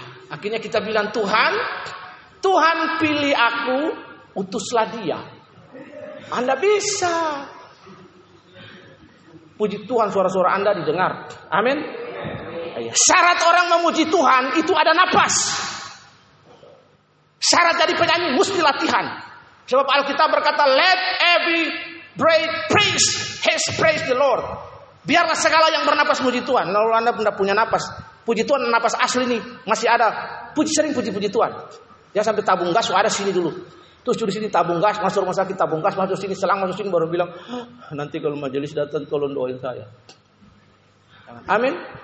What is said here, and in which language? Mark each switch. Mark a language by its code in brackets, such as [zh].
[id] Akhirnya kita bilang, Tuhan, Tuhan pilih aku, utuslah dia. Anda bisa. Puji Tuhan, suara-suara Anda didengar. Amin. Syarat orang memuji Tuhan itu ada napas. Syarat jadi penyanyi mesti latihan. Sebab Alkitab berkata, [en] let every breath praise his praise the Lord. [id] Biarlah segala yang bernapas memuji Tuhan. Kalau Anda tidak punya napas, puji Tuhan, napas asli ini masih ada. Puji, sering puji-puji Tuhan. Ya sampai tabung gas, ada sini dulu. Terus di sini tabung gas, masuk rumah sakit tabung gas, masuk sini selang, masuk sini baru bilang, nanti kalau majelis datang tolong doain saya. Amin.